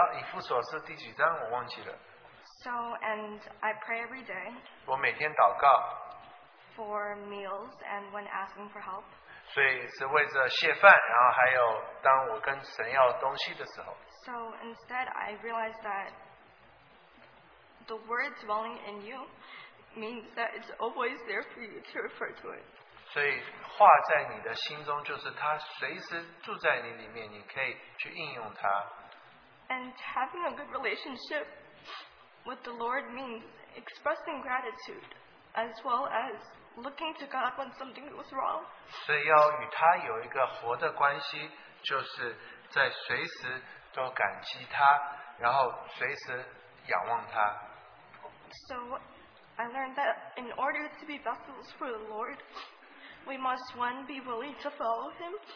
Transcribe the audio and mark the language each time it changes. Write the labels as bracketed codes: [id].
[zh] 然后到最后我就觉得,以弗所是第几章,我忘记了。 [en] So, and I pray every day. [zh] 我每天祷告, [en] for meals and when asking for help. [zh] 所以是为着谢饭，然后还有当我跟神要东西的时候。 [en] So instead, I realized that the word dwelling in you means that it's always there for you to refer to it. [zh] 所以话在你的心中，就是它随时住在你里面，你可以去应用它。 [en] And having a good relationship with the Lord means expressing gratitude as well as looking to God when something goes wrong. [zh] 所以要与他有一个活的关系，就是在随时。都感激他，然后随时仰望他。 [en] So I learned that in order to be vessels for the Lord, we must one be willing to follow Him.